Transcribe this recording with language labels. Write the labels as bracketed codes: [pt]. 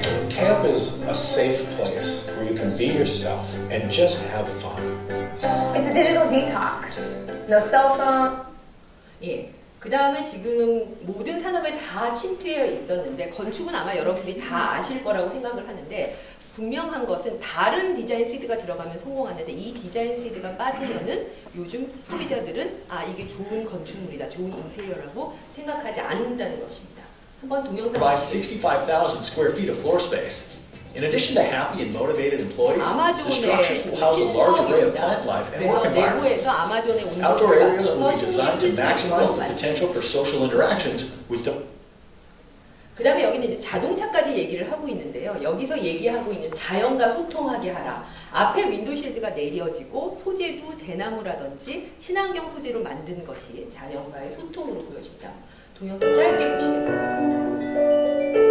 [en] Camp is a safe place where you can be yourself and just have fun. It's a digital detox. No cell phone. [ko] 예. 그 다음에 지금 모든 산업에 다 침투해 있었는데 건축은 아마 여러분들이 다 아실 거라고 생각을 하는데 분명한 것은 다른 디자인 시드가 들어가면 성공하는데 이 디자인 시드가 빠지면은 요즘 소비자들은 아 이게 좋은 건축물이다, 좋은 인테리어라고 생각하지 않는다는 것입니다. 한번 동영상 보시죠. [en] 65,000 square feet of floor space. In addition to happy and motivated employees, the structures will house a large array of plant life and work environments. Outdoor areas will be designed to maximize the potential for social interactions with the [ko] 그 다음에 여기는 이제 자동차까지 얘기를 하고 있는데요. 여기서 얘기하고 있는 자연과 소통하게 하라. 앞에 윈도우실드가 내려지고 소재도 대나무라든지 친환경 소재로 만든 것이 자연과의 소통으로 보여집니다. 동영상 짧게 보시겠습니다.